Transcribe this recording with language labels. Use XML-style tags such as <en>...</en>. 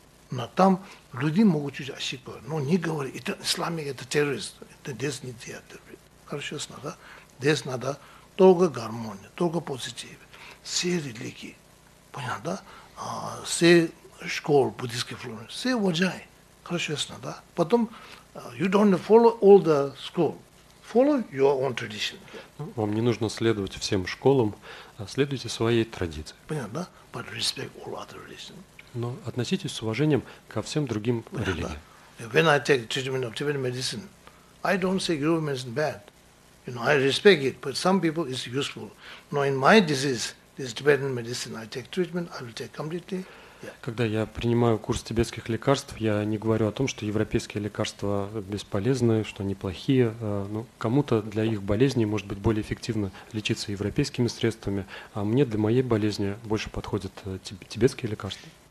<ru>Но там люди могут чуть ошибку, но не говори, это исламик, это террорист, это здесь нельзя терпеть, хорошо, ясно, да, здесь надо только гармония, только позитив. Все религии, понятно, да? Все школы буддийские, все уважай, хорошо, ясно, да?</ru> <en>Потом, you don't follow all the school, follow your own tradition.</en> <ru>Вам не нужно следовать всем школам, а следуйте своей традиции. Понятно, да?</ru> <en>But respect all other religions.</en> <ru>Но относитесь с уважением ко всем другим, понятно, религиям. Да?</ru> <en>When I take treatment of Tibetan medicine, I don't say your medicine bad. You know, I respect it, but some people it's useful. Now, in my disease, this Tibetan medicine, I take treatment, I will take completely. Yeah.</en> <ru>Когда я принимаю курс тибетских лекарств, я не говорю о том, что европейские лекарства бесполезны, что они плохие. Ну, кому-то для их болезни может быть более эффективно лечиться европейскими средствами, а мне для моей болезни больше подходят тибетские лекарства.</ru>